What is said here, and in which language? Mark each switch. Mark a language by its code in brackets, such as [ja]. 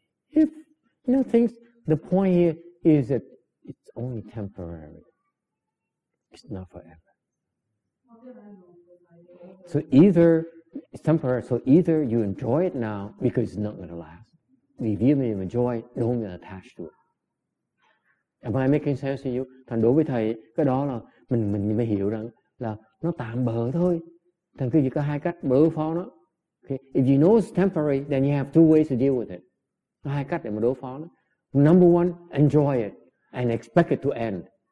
[en] If, you know, things, the point here is that it's only temporary. It's not forever. So either, it's temporary, so either you enjoy it now because it's not going to last. If you enjoy, don't get attached to it. Am I making sense to you? [vi] Thành đối với thầy, cái đó là mình mới hiểu rằng là nó tạm bợ thôi. Thành cứ chỉ có hai cách bợ phó nó. [en] Okay. If you know it's temporary, then you have two ways to deal with it. [vi] Hai cách để mà đối phó nó. [en] Number one, enjoy it and expect it to end.